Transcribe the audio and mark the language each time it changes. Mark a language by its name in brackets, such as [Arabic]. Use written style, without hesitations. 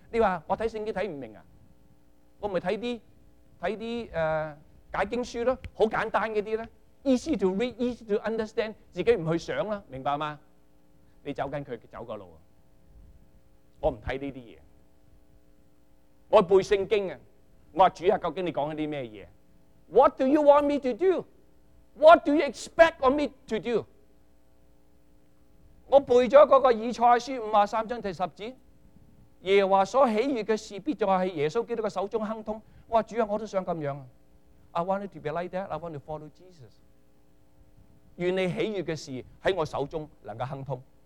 [Cantonese] 你话我睇圣经睇唔明啊？我咪睇啲解经书咯，好简单嗰啲咧 ， [English] easy to read, easy to understand， [Cantonese] 自己唔去想啦，明白吗？你走紧佢走个路啊！我不看这些东西，我背圣经，我说主啊，究竟你说了什么东西？ [English] What do you want me to do? What do you expect of me to do? [Cantonese] 我背了那个以赛亚书53章第十节，耶和华所喜悦的事必就是耶稣基督的手中亨通。我说主啊，我都想这样， [English] I want it to be like that, I want to follow Jesus， [Cantonese] 愿你喜悦的事在我手中能够亨通。